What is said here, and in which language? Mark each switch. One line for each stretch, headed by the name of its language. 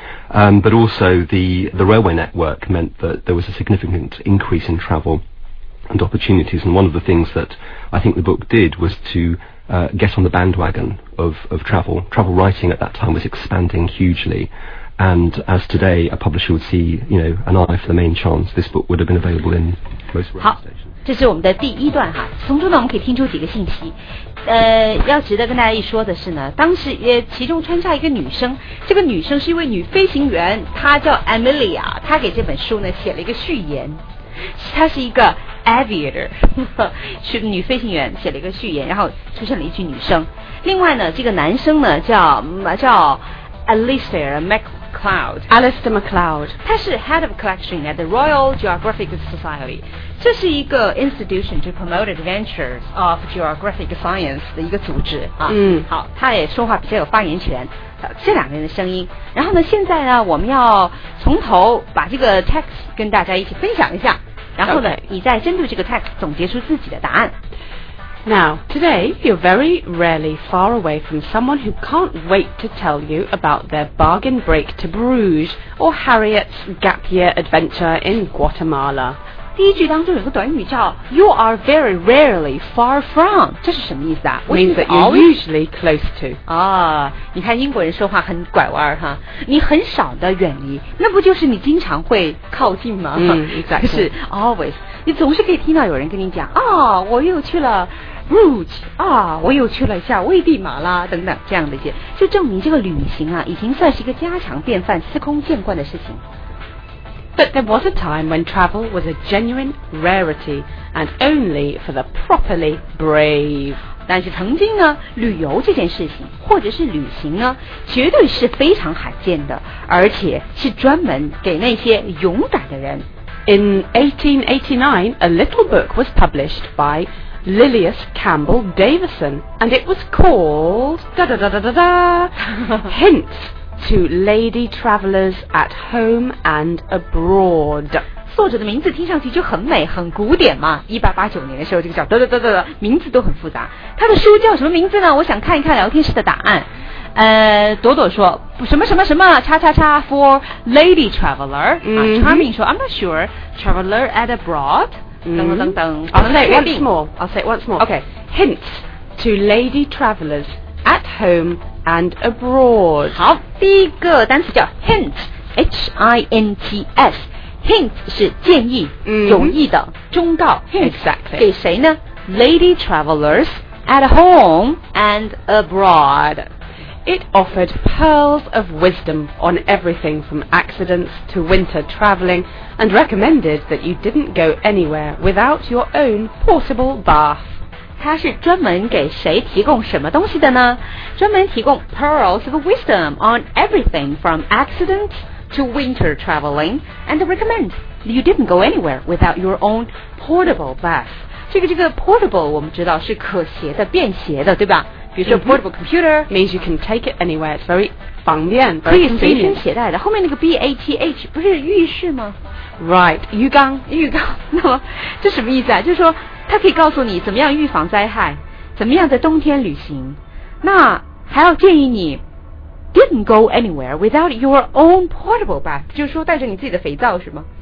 English: But also the railway network meant that there was a significant increase in travel and opportunities. And one of the things that I think the book did was to get on the bandwagon of travel. Travel writing at that time was expanding hugely. And as today a publisher would see, you know, an eye for the main chance, this book would have been available in most railway stations.
Chinese: 这是我们的第一段哈，从中呢我们可以听出几个信息。要值得跟大家一说的是呢，当时也其中穿插一个女生，这个女生是一位女飞行员，她叫 Amelia， 她给这本书呢写了一个序言。她是一个 aviator， 是女飞行员，写了一个序言，然后出现了一句女生。另外呢，这个男生呢叫 Alistair MacLeod， Alistair MacLeod，他是
English: head of collection at the Royal Geographic Society。
Chinese: 这是一个
English: institution to promote adventures of geographic science
Chinese: 的一个组织啊。嗯，好，他也说话比较有发言权，这两个人的声音。然后呢，现在呢，我们要从头把这个 text 跟大家一起分享一下，然后呢，
English: okay.
Chinese: 你再针对这个 text 总结出自己的答案。
English: Now, today, you're very rarely far away from someone who can't wait to tell you about their bargain break to Bruges or Harriet's gap year adventure in Guatemala.
Chinese: 第一句当中有个短语叫
English: You are very rarely far from
Chinese: 这是什么意思啊
English: Means that you're usually close to
Chinese: 啊，你看英国人说话很拐弯哈，你很少的远离那不就是你经常会靠近吗、
English: mm, exactly.
Chinese: 是 always 你总是可以听到有人跟你讲啊，我又去了 Bruges 啊，我又去了一下危地马拉等等这样的一些就证明这个旅行啊已经算是一个家常便饭司空见惯的事情
English: But there was a time when travel was a genuine rarity and only for the properly brave.
Chinese: 但是曾经呢，旅游这件事情，或者是旅行呢，绝对是非常罕见的，而且是专门给那些勇敢的人。
English: In 1889, a little book was published by Lilias Campbell Davison, and it was called da-da-da-da-da-da, Hints. To Lady Travellers at Home and Abroad
Chinese: 作者的名字听上去就很美很古典嘛1889年的时候这个叫得得得得名字都很复杂他的书叫什么名字呢我想看一看聊天室的答案朵朵说什么什么什么叉叉叉
English: for lady traveler、 mm-hmm. Charming 说 I'm not sure traveler at abroad、mm-hmm. I'll say it once more okay hints to lady travelers at home and abroad
Chinese: 好第一个单词叫 hint H-I-N-T-S hint 是建议、 mm-hmm. 有意的忠告
English: hint exactly
Chinese: 给谁呢
English: lady travelersAt home and abroad. It offered pearls of wisdom on everything from accidents to winter traveling and recommended that you didn't go anywhere without your own portable bath.
Chinese: 它是专门给谁提供什么东西的呢？专门提供
English: pearls of wisdom on everything from accidents to winter traveling and recommend that you didn't go anywhere without your own portable bath.
Chinese: 这个 portable 我们知道是可携的便携的对吧比如说 portable computer、 mm-hmm.
English: means you can take it anywhere it's very 方便
Chinese: 可以随身携带的后面那个 bath 不是浴室吗
English: right
Chinese: 浴缸那么这什么意思啊就是说它可以告诉你怎么样预防灾害怎么样在冬天旅行那还要建议你
English: didn't go anywhere without your own portable bath
Chinese: 就是说带着你自己的肥皂是吗